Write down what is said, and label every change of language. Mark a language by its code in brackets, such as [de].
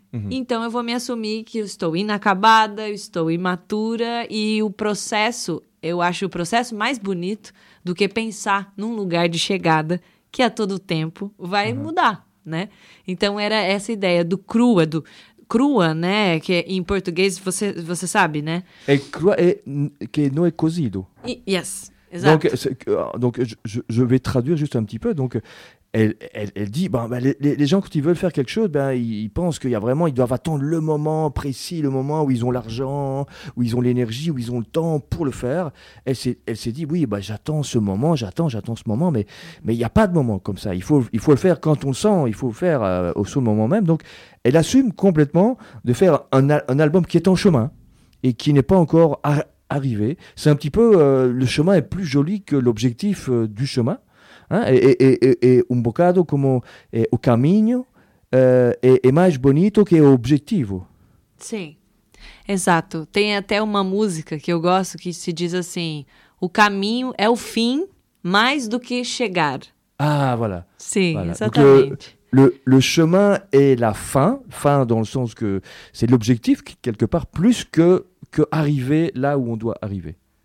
[pt] então eu vou me assumir que eu estou inacabada, eu estou imatura, e o processo, eu acho o processo mais bonito do que pensar num lugar de chegada, que a todo tempo vai mudar, né? Então, era essa ideia do crua, né? Que em português, você sabe, né? É crua, que não é cozido. Yes, exato. [fr] Donc, je vais traduire juste un petit peu. Donc, elle dit, les gens, quand ils veulent faire quelque chose, ils pensent qu'il y a vraiment, ils doivent attendre le moment précis, le moment où ils ont l'argent, où ils ont l'énergie, où ils ont le temps pour le faire. Elle s'est dit, oui, j'attends ce moment, mais il n'y a pas de moment comme ça. Il faut le faire quand on le sent, il faut le faire au son moment même. Donc, elle assume complètement de faire un album qui est en chemin et qui n'est pas encore arrivé. C'est un petit peu, le chemin est plus joli que l'objectif du chemin. Et un bocado comme au camino est plus bonito que l'objectivo. [pt] Sim, sí. Exato. Tem até uma música que eu gosto que se diz assim: o caminho é o fim mais do que chegar. [fr] Ah, voilà. [pt] Sim, [fr] voilà. [pt] Exatamente. Donc, [fr] le chemin est la fin dans le sens que c'est l'objectif quelque part, plus que arriver là où on doit arriver.